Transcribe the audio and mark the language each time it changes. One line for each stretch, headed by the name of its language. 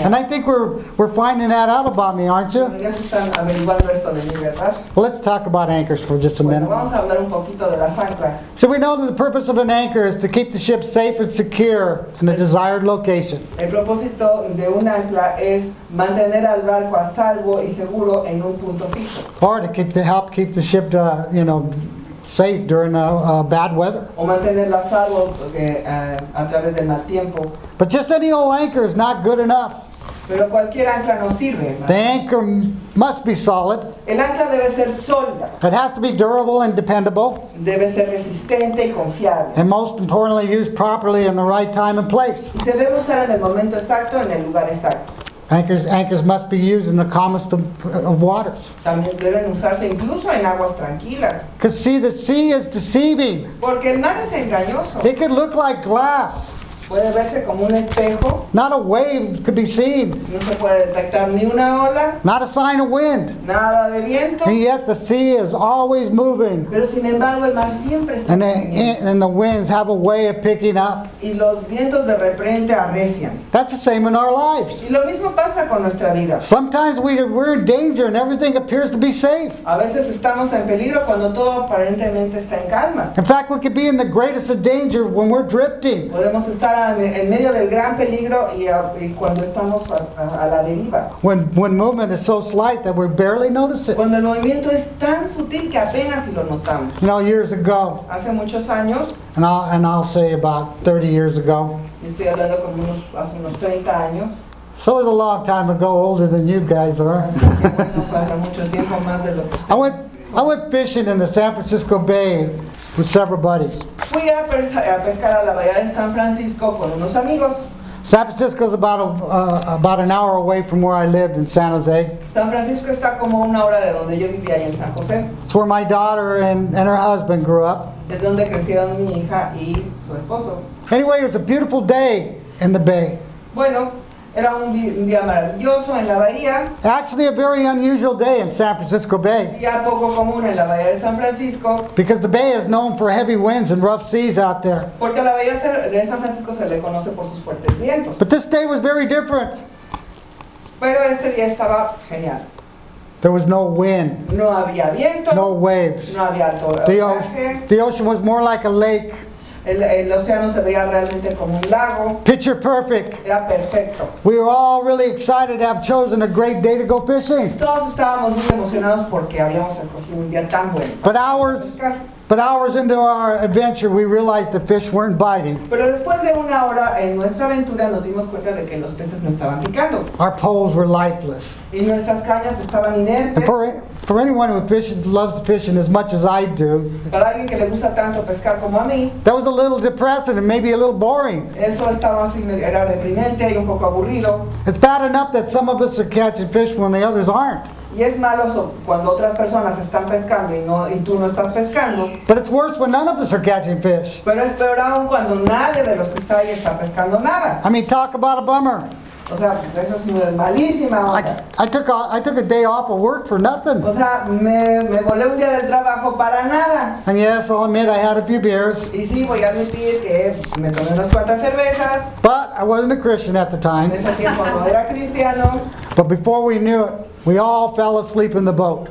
English: habla. And I think we're finding that out about me, aren't you?
Spanish: Bueno, ya se están averiguando esto de mí, ¿verdad?
English: Well, let's talk about anchors for just a minute.
Spanish: Vamos a hablar un poquito de las anclas.
English: So we know that the purpose of an anchor is to keep the ship safe and secure in a desired location.
Spanish: El propósito de un ancla es mantener al barco a salvo y seguro en un punto fijo.
English: Or to help keep the ship safe during bad weather.
Spanish: O mantenerla a salvo a través del mal tiempo.
English: But just any old anchor is not good enough.
Spanish: Pero cualquier ancla no sirve.
English: The anchor must be solid.
Spanish: El ancla debe ser sólida.
English: It has to be durable and dependable.
Spanish: Debe ser resistente y confiable.
English: And most importantly, used properly in the right time and place.
Spanish: Y se debe usar en el momento exacto, en el lugar exacto.
English: Anchors must be used in the calmest of waters.
Spanish: También deben usarse incluso en aguas tranquilas.
English: Because see, the sea is deceiving.
Spanish: Porque el mar es engañoso.
English: It could look like glass.
Spanish: Puede verse como un espejo.
English: Not a wave could be seen.
Spanish: No se puede detectar ni una ola.
English: Not a sign of wind.
Spanish: Nada de viento.
English: And yet the sea is always moving.
Spanish: Pero sin embargo el mar siempre está.
English: And the winds have a way of picking up.
Spanish: Y los vientos de repente arrecian.
English: That's the same in our lives.
Spanish: Y lo mismo pasa con nuestra vida.
English: Sometimes we're in danger and everything appears to be safe.
Spanish: A veces estamos en peligro cuando todo aparentemente está en calma.
English: In fact, we could be in the greatest of danger when we're drifting.
Spanish: Podemos estar en medio del gran peligro y cuando estamos a la deriva.
English: When movement is so slight that we barely notice it.
Spanish: Cuando el movimiento es tan sutil que apenas lo notamos.
English: You know, years ago.
Spanish: Hace muchos años.
English: And I'll say about 30 years ago.
Spanish: Estoy hablando como hace unos 30 años.
English: So it was a long time ago, older than you guys are. I went fishing in the San Francisco Bay with several buddies.
Spanish: Fui a pescar a la bahía de San Francisco con unos amigos.
English: San Francisco is about an hour away from where I lived in San Jose.
Spanish: San Francisco está como una hora de donde yo vivía allá en San José.
English: It's where my daughter and her husband grew up.
Spanish: Es donde crecieron mi hija y su esposo.
English: Anyway, it was a beautiful day in the bay.
Spanish: Bueno, era un día maravilloso en la bahía.
English: Actually, a very unusual day in San Francisco Bay.
Spanish: Día poco común en la bahía de San Francisco.
English: Because the bay is known for heavy winds and rough seas out there.
Spanish: Porque la bahía de San Francisco se le conoce por sus fuertes vientos.
English: But this day was very different.
Spanish: Pero este día estaba genial.
English: There was no wind.
Spanish: No había viento.
English: No waves.
Spanish: No había oleaje.
English: The ocean was more like a lake.
Spanish: El océano se veía realmente como un lago.
English: Picture perfect.
Spanish: Era perfecto.
English: We were all really excited to have chosen a great day to go fishing.
Spanish: Todos estábamos muy emocionados porque habíamos escogido un día tan bueno.
English: But hours into our adventure, we realized the fish weren't biting.
Spanish: Pero después de una hora en nuestra aventura, nos dimos cuenta de que los peces no estaban picando.
English: Our poles were lifeless.
Spanish: Y nuestras cañas estaban inertes.
English: And for anyone who fishes, loves fishing as much as I do,
Spanish: para alguien que le gusta tanto pescar como a mí,
English: that was a little depressing and maybe a little boring.
Spanish: Eso estaba así, era deprimente y un poco aburrido.
English: It's bad enough that some of us are catching fish when the others aren't.
Spanish: Y es malo cuando otras personas están pescando y tú no estás pescando.
English: But it's worse when none of us are catching fish.
Spanish: Pero es peor aún cuando nadie de los que está ahí está pescando nada.
English: I mean, talk about a bummer.
Spanish: O sea, eso es malísima.
English: I took a day off of work for nothing.
Spanish: O sea, me volé un día del trabajo para nada.
English: And yes, I'll admit I had a few beers.
Spanish: Y sí, voy a admitir que me tomé unas cuantas cervezas.
English: But I wasn't a Christian at the time.
Spanish: En ese tiempo no era cristiano.
English: But before we knew it, we all fell asleep in the boat.